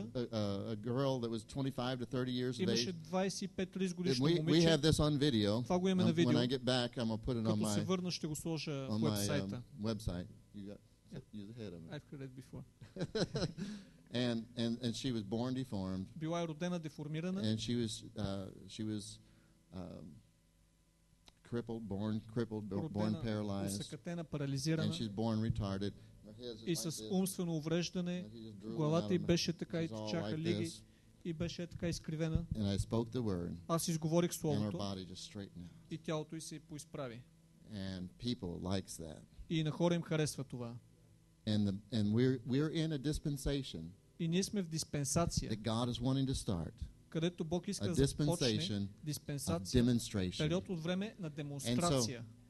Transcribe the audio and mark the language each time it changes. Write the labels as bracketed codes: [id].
[en] And there was a girl that was 25 to 30 years of age. [bg] 25-30 годишно момиче. [en] We have this on video. [bg] Това го имаме на видео. [en] When I get back, I'm gonna put it on my. [bg] Като се върна, ще го сложа в уебсайта. [en] Website. You got you ahead of me. I've heard it before. and she was born deformed. [bg] Била родена деформирана. [en] And she was crippled, born crippled, born paralyzed, and she's born retarded. [bg] И с умствено увреждане, главата й беше така и чака лиги, и беше така изкривена. [en] And I spoke the word, [bg] аз изговорих словото, [en] and her body just straightened out. [bg] И тялото й се поисправи. [en] And people likes that. [bg] И на хора им харесва това. [en] And we're in a dispensation. [bg] И ние сме в диспенсация. [en] That God is wanting to start. [bg] Където Бог иска да започне диспенсация, период от време на демонстрация.